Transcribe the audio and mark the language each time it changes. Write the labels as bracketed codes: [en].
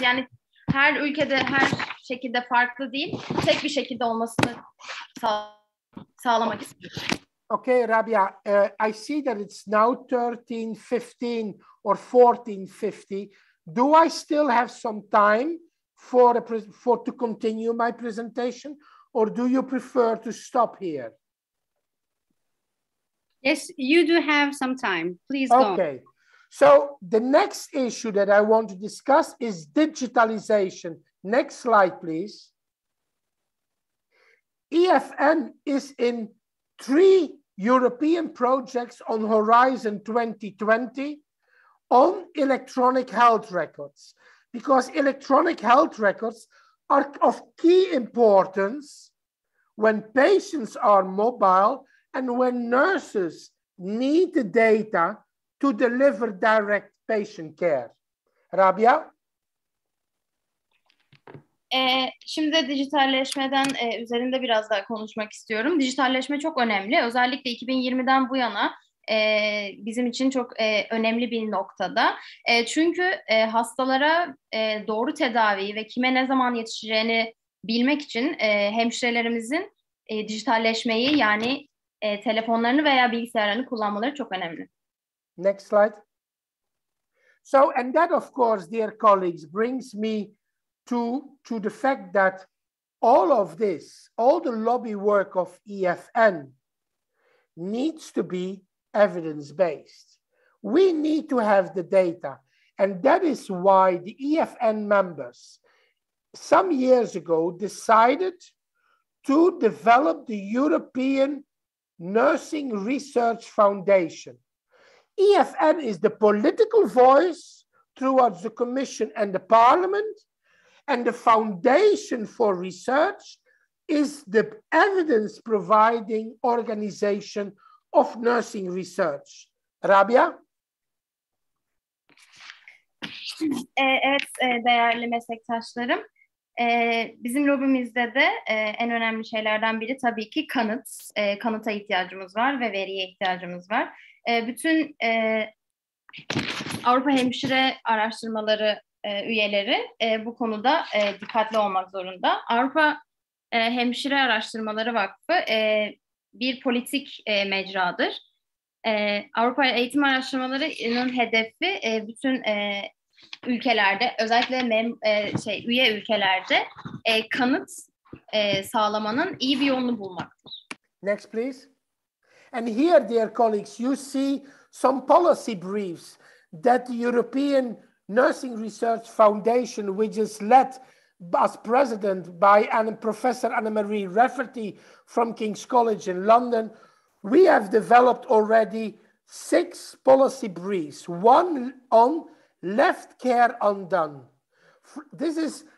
[tr] Yani her ülkede her şekilde farklı değil, tek bir şekilde olmasını sağlamak istiyorum. [en] Okay, Rabia, I see that it's now 13:15 or 14:50. Do I still have some time for to continue my presentation, or do you prefer to stop here? Yes, you do have some time. Please go. Okay. So the next issue that I want to discuss is digitalization. Next slide, please. EFN is in three European projects on Horizon 2020 on electronic health records, because electronic health records are of key importance when patients are mobile and when nurses need the data to deliver direct patient care. Rabia? [tr] Şimdi dijitalleşmeden üzerinde biraz daha konuşmak istiyorum. Dijitalleşme çok önemli. Özellikle 2020'den bu yana bizim için çok önemli bir noktada. Çünkü hastalara doğru tedaviyi ve kime ne zaman yetişeceğini bilmek için hemşirelerimizin dijitalleşmeyi, yani telefonlarını veya bilgisayarlarını kullanmaları çok önemli. [en] Next slide. So, and that of course, dear colleagues, brings me to the fact that all of this, all the lobby work of EFN needs to be evidence-based. We need to have the data. And that is why the EFN members some years ago decided to develop the European Nursing Research Foundation. EFN is the political voice throughout the Commission and the Parliament, and the foundation for research is the evidence-providing organization of nursing research. Rabia? [tr] Evet, değerli meslektaşlarım. Bizim lobimizde de en önemli şeylerden biri tabii ki kanıt. Kanıta ihtiyacımız var ve veriye ihtiyacımız var. Bütün Avrupa Hemşire Araştırmaları üyeleri bu konuda dikkatli olmak zorunda. Avrupa Hemşire Araştırmaları Vakfı bir politik mecradır. Avrupa Eğitim Araştırmaları'nın hedefi bütün ülkelerde, özellikle üye ülkelerde kanıt sağlamanın iyi bir yolunu bulmaktır. [en] Next please. And here, dear colleagues, you see some policy briefs that the European Nursing Research Foundation, which is led as president by Professor Anna-Marie Rafferty from King's College in London, we have developed already 6 policy briefs. One on left care undone. This is